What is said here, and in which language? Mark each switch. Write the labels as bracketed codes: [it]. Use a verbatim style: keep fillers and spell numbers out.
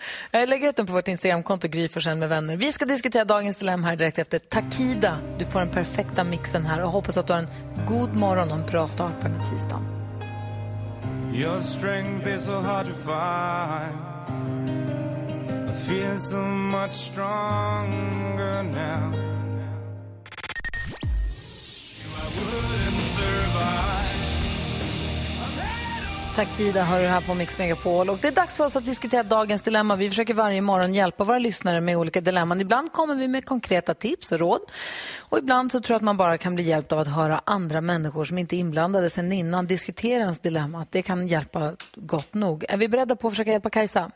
[sv] Jag lägger ut den på vårt Instagramkonto, Gry Forssell med vänner. Vi ska diskutera dagens dilemma här direkt efter Takida. Du får den perfekta mixen här, och hoppas att du har en god morgon och en bra start på den här tisdagen. [en] Your strength is so hard to find. I feel so much stronger now. I wouldn't survive. I've had all [sv] Tack Ida, hör du här på Mix Megapol. Och det är dags för oss att diskutera dagens dilemma. Vi försöker varje morgon hjälpa våra lyssnare med olika dilemman. Ibland kommer vi med konkreta tips och råd. Och ibland så tror jag att man bara kan bli hjälpt av att höra andra människor som inte är inblandade sen innan diskutera ens dilemma. Det kan hjälpa gott nog. Är vi beredda på att försöka hjälpa Kajsa?